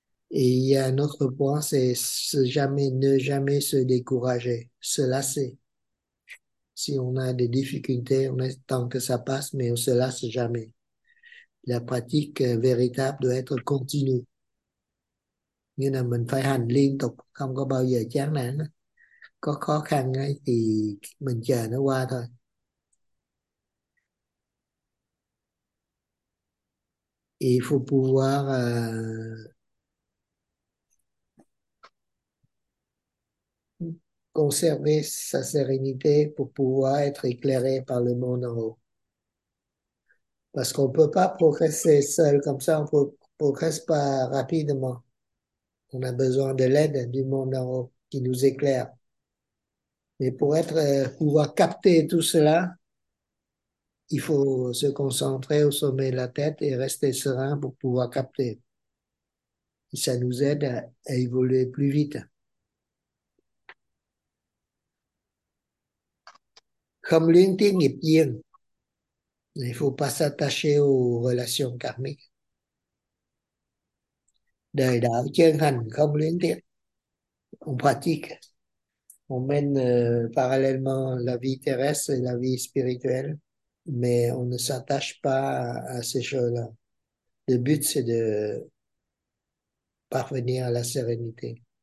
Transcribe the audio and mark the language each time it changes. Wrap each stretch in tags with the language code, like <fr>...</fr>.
<fr>Et il y a un autre point, c'est ne jamais se décourager, se lasser. Si on a des difficultés, on attend que ça passe, mais on ne se lasse jamais. La pratique véritable doit être continue.</fr> <vi>Nghĩa là mình phải hành liên tục, không có bao giờ chán nản. Có khó khăn ấy thì mình chờ nó qua thôi.</vi> <fr>Il faut pouvoir conserver sa sérénité pour pouvoir être éclairé par le monde en haut. Parce qu'on ne peut pas progresser seul comme ça, on ne progresse pas rapidement. On a besoin de l'aide du monde en haut qui nous éclaire. Mais pouvoir capter tout cela, il faut se concentrer au sommet de la tête et rester serein pour pouvoir capter. Et ça nous aide à évoluer plus vite.</fr> <vi>Không luyến tiếc nghiệp duyên.</vi> <fr>Il ne faut pas s'attacher aux relations karmiques.</fr> <vi>Đời đạo chân hành không luyến tiếc.</vi> <fr>On pratique. On mène parallèlement la vie terrestre et la vie spirituelle, mais on ne s'attache pas à ces choses-là. Le but, c'est de parvenir à la sérénité.</fr>